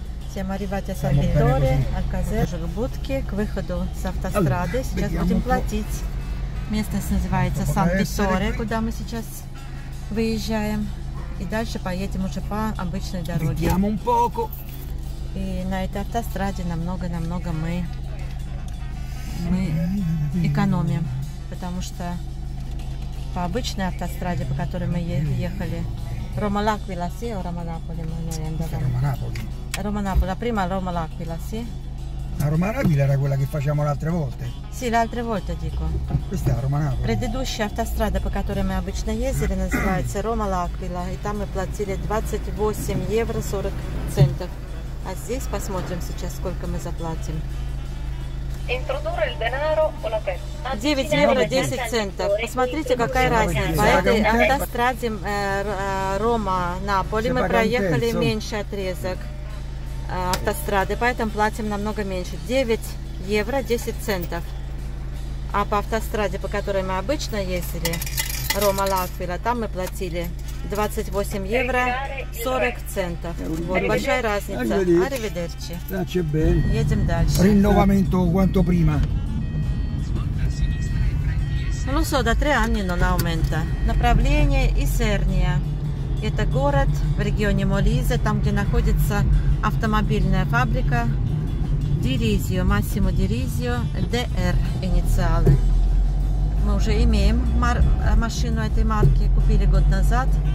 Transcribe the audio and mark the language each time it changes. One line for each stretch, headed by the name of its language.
Italian: Siamo arrivati a San Vittore, a Caserta,
Russian: будки к выходу с автострады. Сейчас будем платить. Местность называется Сан Витторе, куда мы сейчас выезжаем. И дальше поедем уже по обычной дороге. И на этой автостраде намного-намного мы экономим. Потому что по обычной автостраде, по которой мы ехали, Roma L'Aquila,
Italian: sì, o
Russian: Roma Napoli?
Italian: Roma Napoli. Roma Napoli, la prima Roma L'Aquila, sì. La Roma L'Aquila era quella che facciamo le altre volte? Sì, le altre volte dico. Questa è la Roma Napoli.
Russian: Предыдущая автострада, по которой мы обычно ездили, называется Roma L'Aquila. И там мы платили 28 евро 40 центов. А здесь посмотрим сейчас, сколько мы заплатим.
Italian: Introdurre il denaro o la testa?
Russian: 9 евро 10 центов. Посмотрите, какая разница. По этой автостраде Рома-Наполи мы проехали меньше отрезок автострады, поэтому платим намного меньше. 9 евро 10 центов. А по автостраде, по которой мы обычно ездили, Рома-Лаквила, там мы платили 28 евро 40 центов. Вот большая разница.
Italian: Arrivederci.
Russian: Едем дальше.
Italian: Rinnovamento quanto prima. Non lo so, da 3 anni non aumenta.
Russian: Направление Isernia. Это город в регионе Молизе, там где находится автомобильная фабрика Dirizio, Massimo Dirizio, DR инициалы. Мы уже имеем машину этой марки, купили год назад.